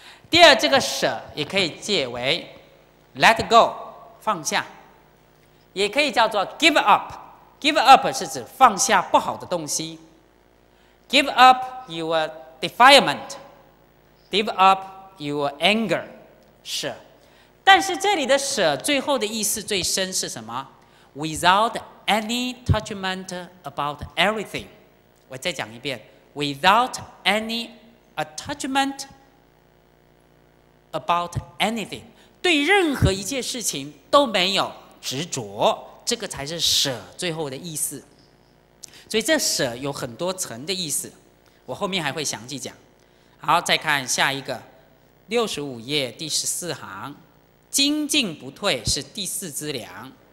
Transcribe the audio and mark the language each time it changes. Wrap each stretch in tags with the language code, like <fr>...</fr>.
<zh>第二，这个舍也可以解为</zh> <en>let go，</en> <zh>放下，也可以叫做</zh> <en>give up。</en> <zh>Give up 是指放下不好的东西。</zh> <en>Give up your defilement. Give up your anger. 舍。</en> <zh>但是这里的舍最后的意思最深是什么？</zh> <en>Without any attachment about everything.</en> <zh>我再讲一遍。</zh> <en>Without any attachment about anything.</en> <zh>对任何一件事情都没有执着。这个才是舍最后的意思，所以这舍有很多层的意思，我后面还会详细讲。好，再看下一个，六十五页第十四行，精进不退是第四资粮。</zh>